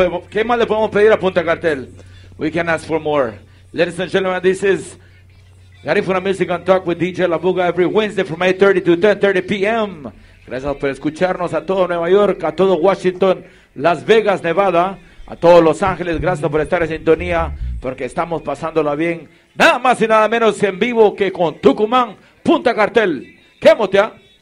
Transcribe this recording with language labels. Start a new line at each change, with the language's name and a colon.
Spanish: ¿Qué más le podemos pedir a Punta Cartel?
English: We can ask for more. Ladies and gentlemen, this is Garifuna Music on Talk with DJ La Buga every Wednesday from 8:30 to 10:30 p.m.
Spanish: Gracias por escucharnos a todo Nueva York, a todo Washington, Las Vegas, Nevada, a todos Los Ángeles. Gracias por estar en sintonía porque estamos pasándola bien. Nada más y nada menos en vivo que con Tucumán, Punta Cartel. ¿Qué motea?